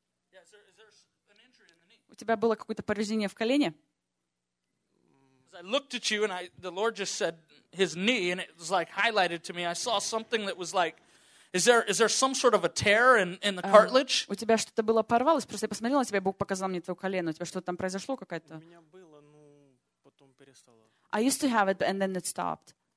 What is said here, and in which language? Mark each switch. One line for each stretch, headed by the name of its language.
English: Yeah, is there an injury in the knee?
Russian: У тебя было какое-то повреждение в колене?
English: As I looked at you and the Lord just said his knee and it was like highlighted to me. I saw something that was like, is there some sort of a tear in the cartilage?
Russian: У тебя что-то было порвалось? Просто я посмотрела на тебя, Бог показал мне твое колено. У тебя что-то там произошло какое-то? У меня было, но потом перестало.
English: I used to have it and then it stopped.